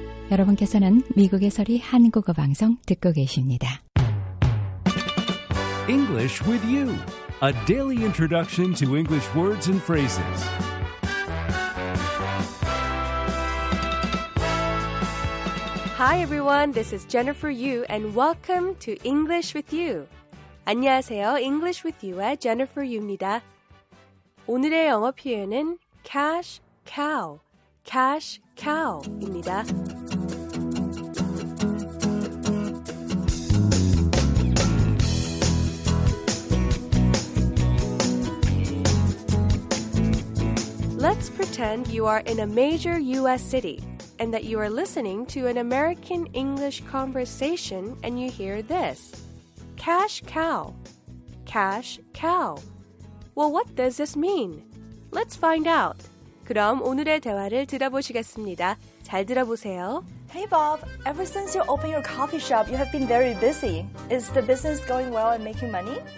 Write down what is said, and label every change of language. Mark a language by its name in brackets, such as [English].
[Korean] 여러분께서는 미국의 소리 한국어 방송 듣고 계십니다. [English] English with you. A daily introduction to English words and phrases. [Korean] 안녕하세요. English with you의 Jennifer Yu입니다. 오늘의 영어 표현은 cash cow, cash cow입니다. [English] Let's pretend you are in a major U.S. city. And that you are listening to an American English conversation and you hear this. Cash cow. Cash cow. Well, what does this mean? Let's find out. [Korean] 그럼 오늘의 대화를 들어보시겠습니다. 잘 들어보세요. [English] Hey, Bob. Ever since you opened your coffee shop, you have been very busy. Is the business going well and making money?